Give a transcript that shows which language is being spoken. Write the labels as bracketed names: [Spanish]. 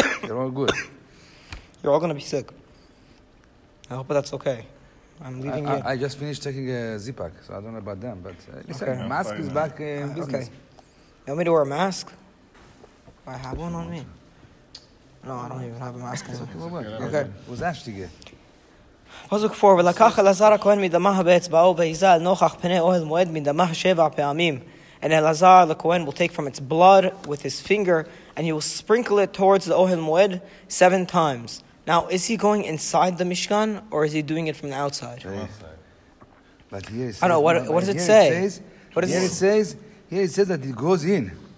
[English] You're all going to be sick. I hope that's okay. I'm leaving you. I just finished taking a Zipak, so I don't know about them. But mask is back in business. Okay. You want me to wear a mask? I have one on me. No, I don't even have a mask. Okay. It was Ashti again. [Hebrew] פסוק 4, ולקח אלעזר הכהן מדמה הבאצבעו והיזה אל נוכח פני אוהל מועד מדמה שבע פעמים. [English] And Elazar the Kohen will take from its blood with his finger, and he will sprinkle it towards the Ohel Moed 7 times. Now, is he going inside the Mishkan, or is he doing it from the outside? But here it says, I don't know, what does it say? Here it says that he goes in.